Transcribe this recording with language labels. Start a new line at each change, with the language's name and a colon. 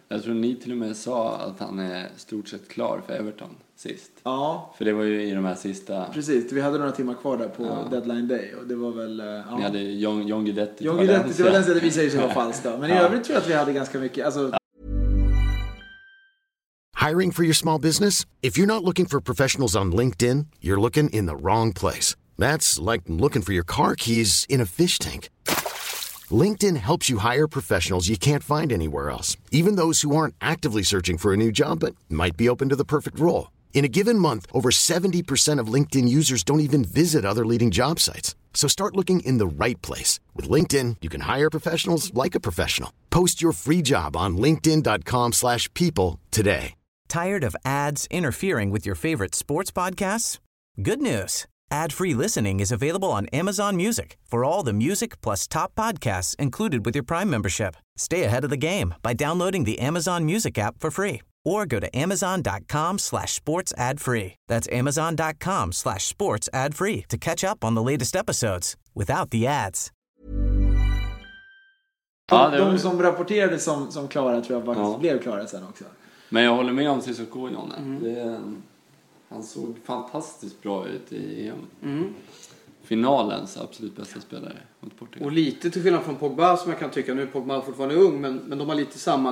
Swedish: Jag tror ni till och med sa att han är stort sett klar för Everton sist. Ja. För det var ju i de här sista... Precis, vi hade några timmar kvar där på deadline day och det var väl... Ni hade John Guidetti. John Guidetti, det var den sidan vi säger som var falsk då. Men i övrigt tror jag att vi hade ganska mycket... Alltså,
English: Hiring for your small business? If you're not looking for professionals on LinkedIn, you're looking in the wrong place. That's like looking for your car keys in a fish tank. LinkedIn helps you hire professionals you can't find anywhere else, even those who aren't actively searching for a new job but might be open to the perfect role. In a given month, over 70% of LinkedIn users don't even visit other leading job sites. So start looking in the right place. With LinkedIn, you can hire professionals like a professional. Post your free job on linkedin.com/people today. Tired of ads interfering with your favorite sports podcasts? Good news. Ad-free listening is available on Amazon Music for all the music plus top podcasts included with your Prime membership. Stay ahead of the game by downloading the Amazon Music app for free or go to amazon.com/sportsadfree. That's amazon.com/sportsadfree to catch up on the latest episodes without the ads.
Swedish: De som rapporterade som klara tror jag faktiskt blev klara sen också. Men jag håller med om Sissoko, Jonne. Han såg fantastiskt bra ut i EM. Finalens absolut bästa spelare mot Portugal. Och lite till skillnad från Pogba som jag kan tycka. Nu är Pogba fortfarande ung, men de har lite samma.